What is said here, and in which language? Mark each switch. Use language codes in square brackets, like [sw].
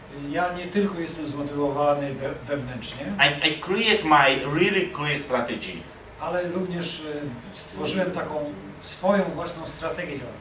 [pl] Ja nie tylko jestem zmotywowany wewnętrznie. [en] I create my really clear strategy. [pl] Ale również stworzyłem taką swoją własną strategię.